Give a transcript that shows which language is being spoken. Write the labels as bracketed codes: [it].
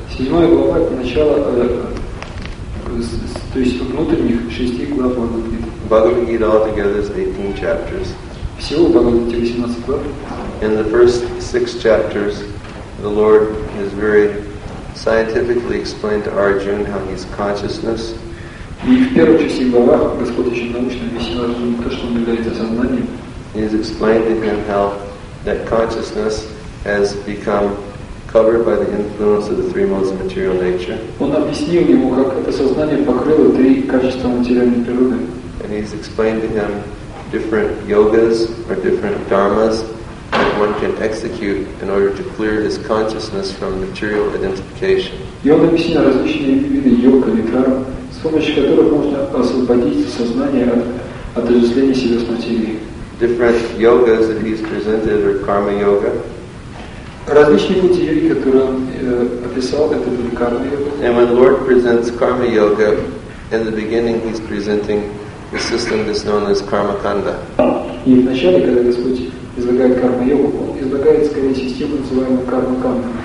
[ru] Седьмая глава это начало, то есть внутренних шести глав Бхагавад Гиты. [en] Bhagavad Gita altogether is 18 chapters. [ru] Всего Бхагавад Гиты 18 глав. [en] In the first six chapters, the Lord has very scientifically explained to Arjuna how his consciousness. [ru] И в первых шести главах Господь очень научно объяснил Арджуну то, что он является сознанием. [en] He has explained to him how that consciousness has become covered by the influence of the three modes of material nature. [ru] Он объяснил ему, как это сознание покрыло три качества материальной природы. [en] And he has explained to him different yogas or different dharmas that one can execute in order to clear his consciousness from material identification. [ru] И он объяснил различные виды йог или дхарм, с помощью которых можно освободить сознание от отождествления себя с материей. [en] Different yogas that he's presented are karma yoga. [ru] Различные пути йоги, которые он описал, это были карма йога. [en] And when Lord presents karma yoga, in the beginning he's presenting the system that's known as karma kanda. [ru] И в начале, когда Господь излагает карма йогу, он излагает скорее систему, называемую карма канда.